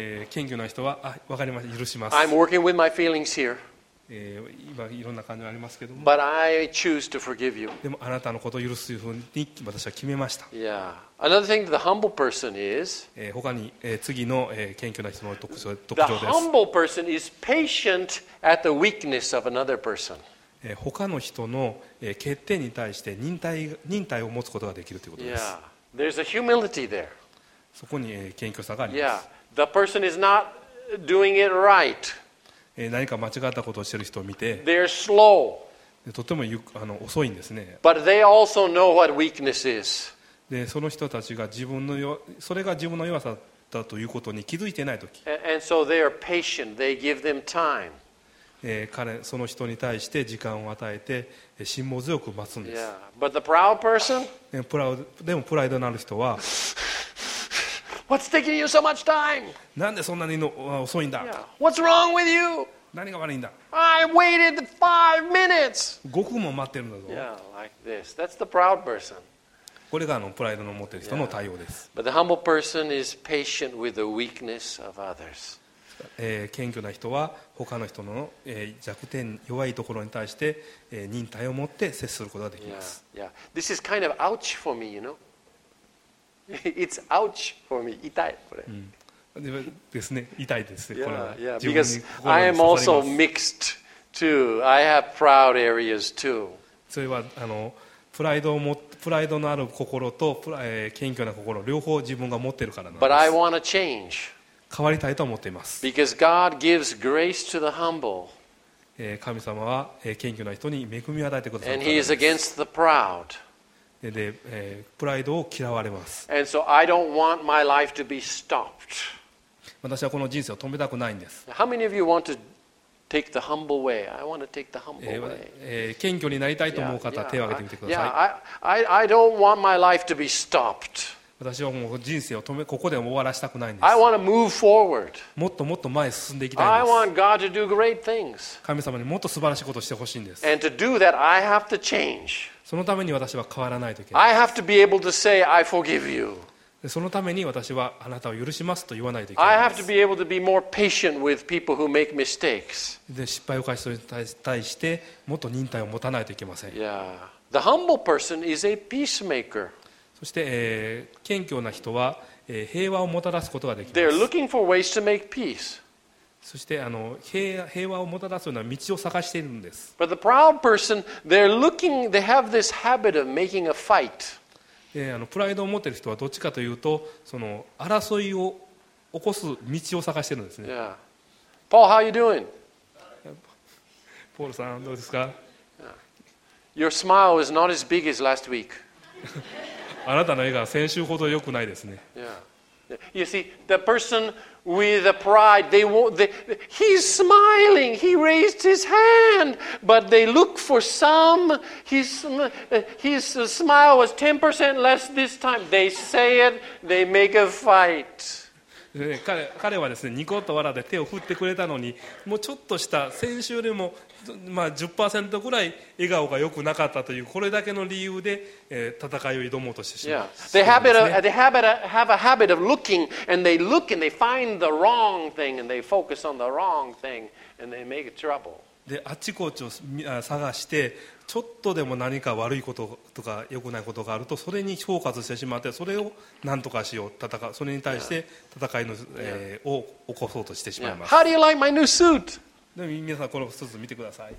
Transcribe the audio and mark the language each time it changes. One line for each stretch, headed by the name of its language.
Japanese: 謙虚な人は、あ、わかりました、許します。
English: I'm working with my feelings here.
Japanese: 今いろんな感じがありますけども。
English: But I choose to forgive you.
Japanese: でもあなたのことを許すというふうに私は決めました。
English: Yeah. Another thing that the humble person is,
Japanese: 他に、次の、謙虚な人の特徴です。
English: The humble person is patient at the weakness of another person.
Japanese: 他の人の欠点に対して忍耐を持つことができるということです。
English: Yeah. There's a humility there.
Japanese: そこに謙虚さがあります。
English: Yeah. The person is not doing it right.
Japanese: 何か間違ったことをしている人を見て、
English: They're slow.
Japanese: とても遅いんですね。
English: But they also know what weakness is.
Japanese: でその人たちが自分の弱さだということに気づいていないとき。
English: And so they are patient. They give them time.
Japanese: その人に対して時間を与えて辛抱強く待つんです。
English: Yeah. But the proud person?
Japanese: でもプライドのある人は、
English: What's taking you so much time?
Japanese: なんでそんなに遅いんだ。
English: Yeah. What's wrong with you?
Japanese: 何が悪いんだ。
English: I waited 5 minutes.
Japanese: 5分も待ってるんだぞ。
English: Yeah, like this. That's the proud person.
Japanese: これがプライドの持ってる人の対応です。
English: Yeah. But the humble person is patient with the weakness of others.
Japanese: 謙虚な人は他の人の弱点弱いところに対して忍耐を持って接することができます。
English: yeah, yeah. This is kind of ouch for me, you know. It's ouch for me.
Japanese: 痛いこれ、ですね、痛いですね。
English: yeah,
Japanese: これは自分に心に刺さります。
English: Because I am also mixed too. I have proud areas too.
Japanese: それはプライドのある心と謙虚な心両方自分が持っているからなんです。
English: But I want to change.
Japanese: 変わりたいと思っています。
English: Because God gives grace to the humble.
Japanese: 神様は謙虚な人に恵みを与えてくださ
English: る。And he is against the proud.
Japanese: で、プライドを嫌われます。
English: And so I don't want my life to be stopped.
Japanese: 私はこの人生を止めたくないんです。
English: How many of you want to take the humble way? I want to take the humble way.
Japanese: 謙虚になりたいと思う方は手を挙げてみてください。
English: I don't want my life to be stopped.
Japanese: 私はもう人生を止めここで終わらせたくないんです。
English: I want to move forward.
Japanese: もっともっと前へ進んでいきたいんです。
English: I want God to do great things.
Japanese: 神様にもっと素晴らしいことをしてほしいんです。
English: And to do that, I have to change.
Japanese: そのために私は変わらないといけない。
English: I have to be able to say, I forgive you.
Japanese: そのために私はあなたを許しますと言わないといけないです。
English: I have to be able to be more patient with people who make mistakes.
Japanese: で、失敗を犯す人に対してもっと忍耐を持たないといけません。
English: Yeah. The humble person is a peacemaker.
Japanese: そして、謙虚な人は、平和をもたらすことができます。
English: They're looking for ways to make peace.
Japanese: そして、平和をもたらすような道を探しているんです。
English: But the proud person, they're looking, they have this habit of making a fight.
Japanese: プライドを持っている人はどっちかというとその争いを起こす道を探しているんですね。
English: Paul, how you doing?
Japanese: ポールさん、どうですか?
English: Your smile is not as big as last week.
Japanese: あなたの笑顔は先週ほど良くないですね。
English: Yeah. You see, the person with the pride, they won't, he's smiling, he raised his hand, but they look for some, his smile was 10% less this time. They say it, they make a fight.
Japanese: 彼はですね、ニコッと笑って手を振ってくれたのに、もうちょっとした、先週でも、まあ、10% ぐらい笑顔が良くなかったというこれだけの理由で、戦いを挑もうとしてしまう。
English: They have a habit of looking and they look and they find the wrong thing and they focus on the wrong thing and they make trouble.
Japanese: であちこちを探してちょっとでも何か悪いこととか良くないことがあるとそれにフォーカスしてしまってそれを何とかしよう戦うそれに対して戦いの、を起こそうとしてしまいます。
English: How do you like my new suit?
Japanese: でも皆さんこのスーツ見てください。